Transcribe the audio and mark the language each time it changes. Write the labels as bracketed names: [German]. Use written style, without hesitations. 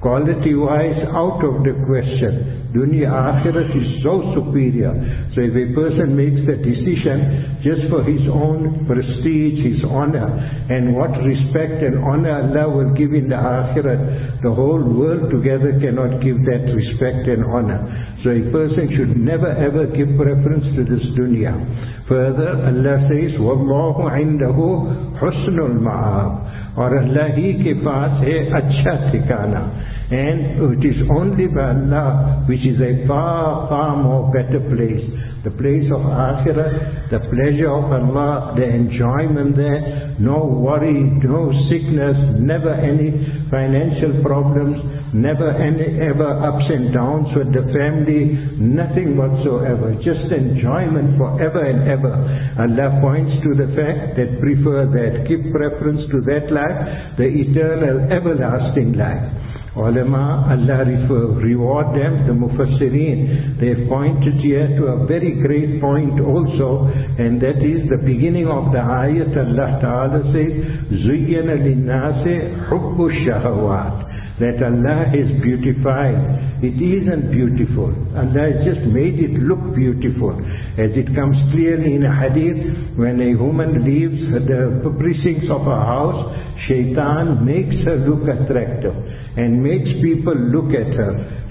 [English] Quality-wise, out of the question. Dunya akhirat is so superior. So if a person makes the decision just for his own prestige, his honor, and what respect and honor Allah will give in the akhirat, the whole world together cannot give that respect and honor. So a person should never ever give preference to this dunya. Further, Allah says, [Arabic] وَاللَّهُ عِنْدَهُ حُسْنُ الْمَعَابِ. [Urdu] Or Allah hi ke paas hai achha thikana. [English] And it is only by Allah which is a far, far more better place. The place of akhirah, the pleasure of Allah, the enjoyment there, no worry, no sickness, never any financial problems, never any ever ups and downs with the family, nothing whatsoever, just enjoyment forever and ever. Allah points to the fact that prefer that, give preference to that life, the eternal, everlasting life. Ulama, Allah reward them, the Mufassireen, they have pointed here to a very great point also, and that is the beginning of the ayat. Allah Ta'ala says, [Arabic] زُيَّنَ لِلنَّاسِ حُبُّ الشَّهَوَاتِ. [English] That Allah is beautified. It isn't beautiful. Allah has just made it look beautiful. As it comes clearly in a hadith, when a woman leaves the precincts of her house, shaitan makes her look attractive and makes people look at her.